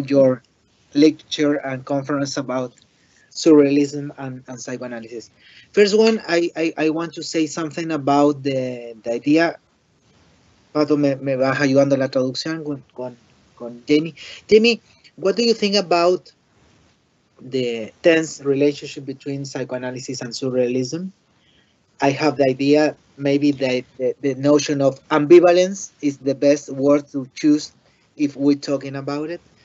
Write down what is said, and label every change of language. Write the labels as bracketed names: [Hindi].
[English] your lecture and conference about surrealism and psychoanalysis. First one, I want to say something about the idea. [Spanish] Pato, me vas ayudando la traducción con Jamie. [English] Jamie, what do you think about the tense relationship between psychoanalysis and surrealism? I have the idea maybe that the notion of ambivalence is the best word to choose if we're talking about it.